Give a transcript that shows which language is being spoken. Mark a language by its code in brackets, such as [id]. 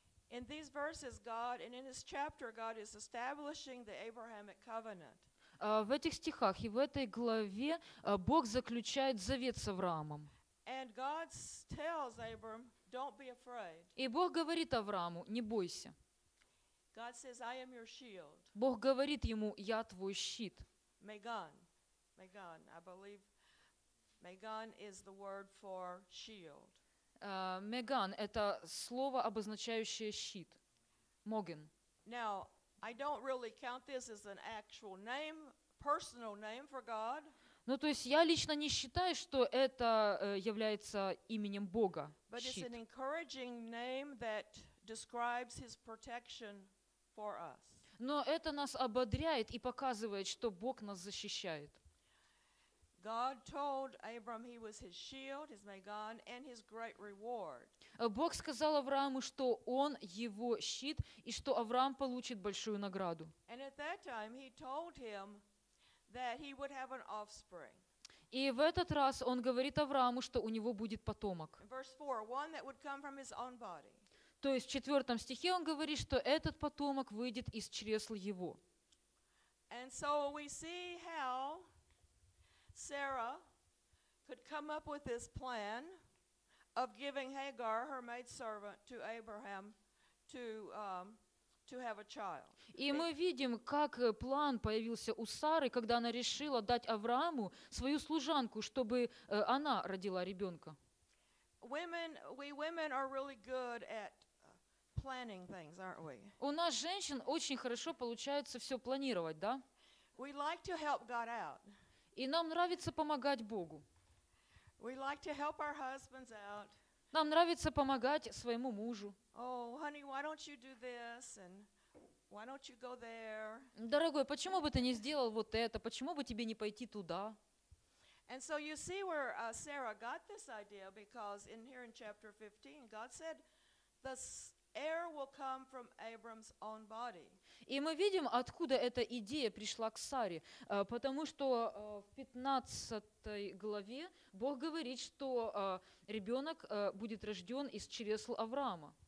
[en] In these verses, God, and in this chapter, God is establishing the Abrahamic covenant. [ru] В этих стихах и в этой главе Бог заключает завет с Авраамом. [en] And God tells Abram, "Don't be afraid." [ru] И Бог говорит Аврааму: "Не бойся." [en] God says, "I am your shield." [ru] Бог говорит ему: "Я твой щит." [en] Megan, I believe Megan is the word for shield. [ru] Меган – это слово, обозначающее щит. Моген. [en] Now, I don't really count this as an actual name, personal name for God. [ru] Ну, то есть я лично не считаю, что это является именем Бога. [en] But it's an encouraging name that describes his protection for us. [ru] Но это нас ободряет и показывает, что Бог нас защищает. [en] God told Abram he was his shield, his megan, and his great reward. [ru] Бог сказал Аврааму, что он его щит и что Авраам получит большую награду. [en] And at that time he told him that he would have an offspring. [ru] И в этот раз он говорит Аврааму, что у него будет потомок. [en] Verse 4, one that would come from his own body. [ru] То есть в четвертом стихе он говорит, что этот потомок выйдет из чресла его. [en] And so we see how Sarah could come up with this plan of giving Hagar, her maidservant, to Abraham to have a child. [ru] И мы видим, как план появился у Сары, когда она решила дать Аврааму свою служанку, чтобы она родила ребенка. [en] We women are really good at planning things, aren't we? [ru] У нас женщин очень хорошо получается все планировать, да? [en] We like to help God out. [ru] И нам нравится помогать Богу. [en] We like to help our husbands out. [ru] Нам нравится помогать своему мужу. [en] Oh, honey, why don't you do this and why don't you go there? [ru] Дорогой, почему бы ты не сделал вот это? Почему бы тебе не пойти туда? [en] And so you see where Sarah got this idea, because in here in chapter 15, God said the heir will come from Abram's own body. [ru] И мы видим, откуда эта идея пришла к Саре, потому что в 15 главе Бог говорит, что ребенок будет рожден из чресла Авраама.